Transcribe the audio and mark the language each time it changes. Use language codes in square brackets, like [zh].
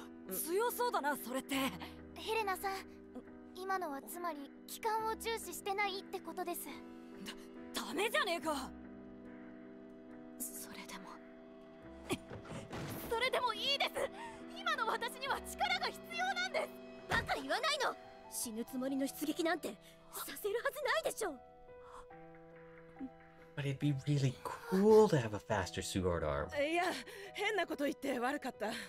[ja] 強そうだな、それって。ヘレナさん、今のはつまり機関を重視してないってことです。ダメじゃねえか。それでも、それでもいいです。今の私には力が必要なんです。バカ言わないの。死ぬつもりの出撃なんてさせるはずないでしょう。 [en] But it'd be really cool to have a faster Sugard arm. [ja] いや、変なこと言って悪かった。